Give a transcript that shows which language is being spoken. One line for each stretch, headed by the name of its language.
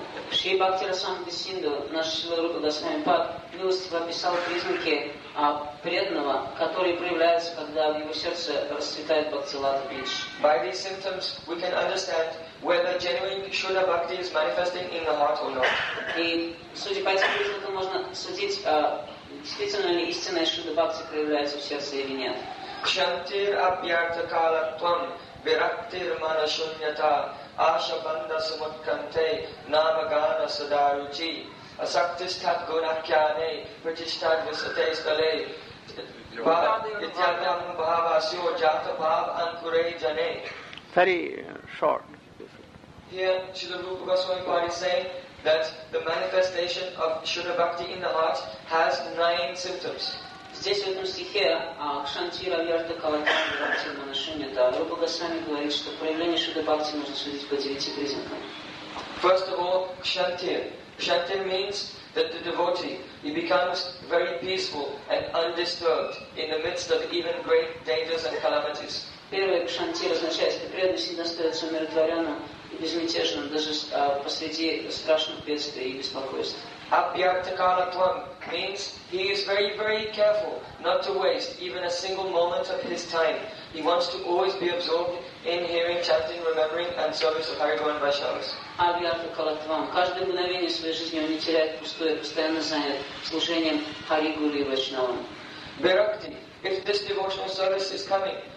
Russian: Sri Bhakti Rasamrita Sindhu, наш Srila Rupa Goswami Pad, милостиво описал признаки преданного, который проявляется, когда в его сердце расцветает бхакти-лата бидж.
English: By these symptoms, we can understand whether genuine Shuddha Bhakti is manifesting in the heart or not.
Russian: И судя по этим признакам, можно судить, действительно ли истинная Шуда Бхакти проявляется в сердце или нет.
Sanskrit: Кшантир абьярта кала твам вирактир мана шуньята аша банда сумутканте нама гана садаручи Asaktistat gunakyane, pratishtat visate stale, ityadam bhavasyo jata bhav ankure jane.
English: Very short. Here, Srila Rupa Goswami Pad is saying that the manifestation of Shuddha Bhakti in the heart has nine symptoms.
Russian: Здесь в этом стихе Кшантира Вьярта Калатан Вирактир Манашунята, Рупа Госвами говорит, что проявление Шуддха Бхакти можно судить по девяти признакам.
English: First of all, Кшантир. Kshantir means that the devotee, he becomes very peaceful and undisturbed in the midst of even great dangers and calamities.
Russian: Первое кшантир означает, что преданный всегда остается умиротворенным и безмятежным, даже посреди страшных бедствий и беспокойств.
English: Abhyaktakalatvam means he is very, very careful not to waste even a single moment of his time. He wants to always be absorbed in hearing, chanting, remembering and service of Haridwar and Vaishnavas.
Sanskrit: Abhyaktakalatvam.
Russian: Каждое мгновение своей жизни он не теряет пустое, постоянно занят служением Харигуру и Вайшнавам.
English: Bhakti, if this devotional service is coming,